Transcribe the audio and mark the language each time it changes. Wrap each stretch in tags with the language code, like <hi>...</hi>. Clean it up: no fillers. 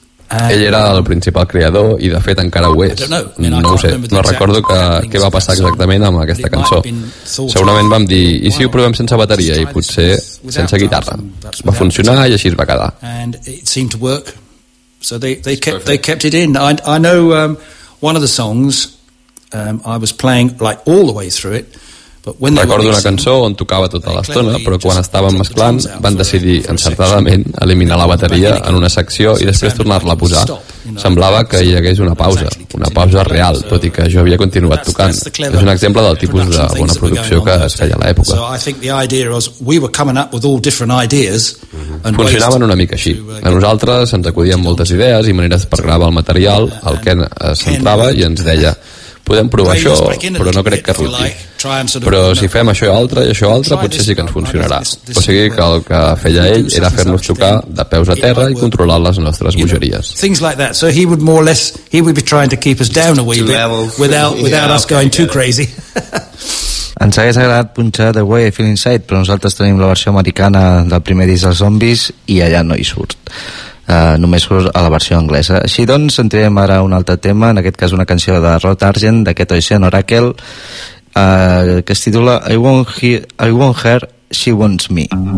<ca>Ell era el principal creador i de fet encara ho és. No ho sé, no recordo què va passar exactament amb aquesta cançó. Segurament vam dir, i si ho provem sense bateria i potser sense guitarra? Va funcionar i així es va quedar.</ca> <en>And it seemed to work. So they kept it in. I know one of the songs I was playing like all the way through it.</en> <ca>Recordo una cançó on tocava tota l'estona, però quan estàvem mesclant van decidir encertadament eliminar la bateria en una secció i després tornar-la a posar. Semblava que hi hagués una pausa real, tot i que jo havia continuat tocant. És un exemple del tipus de bona producció que es feia a l'època. Funcionaven una mica així. A nosaltres ens acudien moltes idees i maneres per gravar el material, el Ken s'entrava i ens deia... Podem provar això, però no crec que rutgi. Però si fem això i altre, i això i altre, potser sí que ens funcionarà. O sigui que el que feia ell era fer-nos tocar de peus a terra i controlar les nostres bogeries.</ca> <en>Things like that. So he would more or less, he would be trying to keep us down a wee bit without us going too crazy.</en> <ca>Ens hagués agradat punxar The Way I Feel Inside, però nosaltres tenim la versió americana del primer disc dels Zombies i allà no hi surt. Només surt a la versió anglesa. Així doncs, sentirem ara un altre tema, en aquest cas una canció de Rod Argent, d'aquest Ocean Oracle, que es titula I Want Her, She Wants Me.</ca>